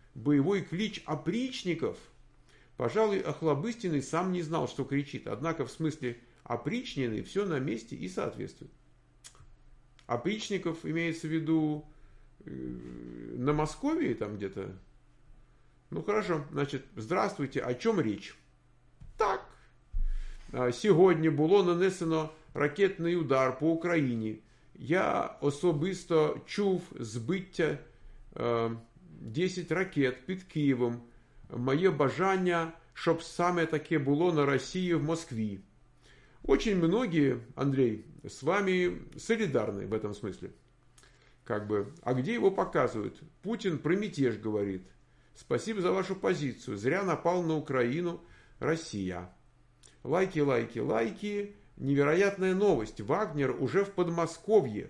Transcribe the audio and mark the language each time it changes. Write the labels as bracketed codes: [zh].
[ru] Боевой клич опричников. Пожалуй, Охлобыстиный сам не знал, что кричит. Однако в смысле опричнины все на месте и соответствует. Опричников имеется в виду на Москве там где-то? Ну хорошо, значит, здравствуйте, о чем речь? Так. [uk] Сьогодні було нанесено ракетний удар по Україні. Я особисто чув збиття 10 ракет під Києвом. Моє бажання, щоб саме таке було на Росії в Москві. [ru] Очень многие, Андрей, с вами солидарны в этом смысле. Как бы, а где его показывают? Путин про мятеж говорит. Спасибо за вашу позицию. Зря напал на Украину Россия. Лайки, лайки, лайки. Невероятная новость. Вагнер уже в Подмосковье.